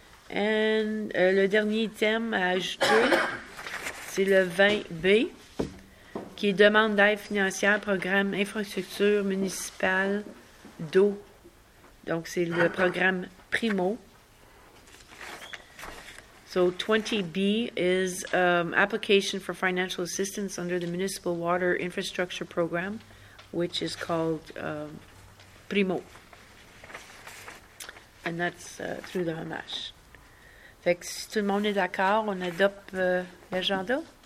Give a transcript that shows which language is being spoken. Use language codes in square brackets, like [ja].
[fr] And le dernier item à ajouter, c'est le 20B. Qui est demande d'aide financière, programme infrastructure municipale d'eau. Donc, c'est le programme Primo. [en] So, 20B is application for financial assistance under the Municipal Water Infrastructure Program, which is called Primo. And that's through the HMH. [fr] Fait que si tout le monde est d'accord, on adopte l'agenda.